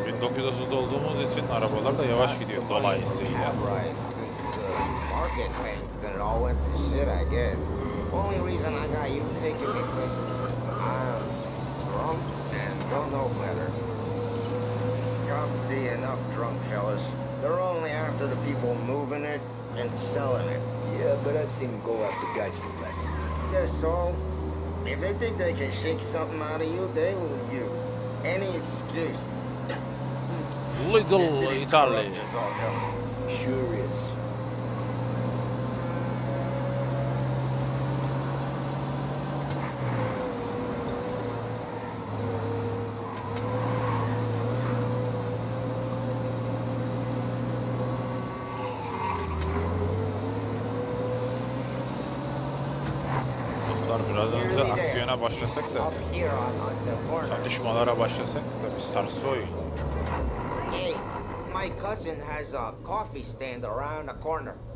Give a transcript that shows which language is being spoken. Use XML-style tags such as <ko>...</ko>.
<tr>1930'da olduğumuz için arabalar da yavaş gidiyor dolayısıyla.</tr> <en>Right, since the market tanked and it all went to shit, I guess. Only reason I got you taking me places is I'm drunk and don't know better. Come see enough drunk fellas. They're only after the people moving it and selling it. Yeah, but I've seen them go after guys for less. Yeah, so if they think they can shake something out of you, they will use any excuse. Little Italy. Sure is. Thank you.</en> <tr>Arkadaşlar biraz önce aksiyona başlasak da, çatışmalara başlasak da bir sarsoy.</tr> <en>Hey, my cousin has a coffee stand around the corner.</en>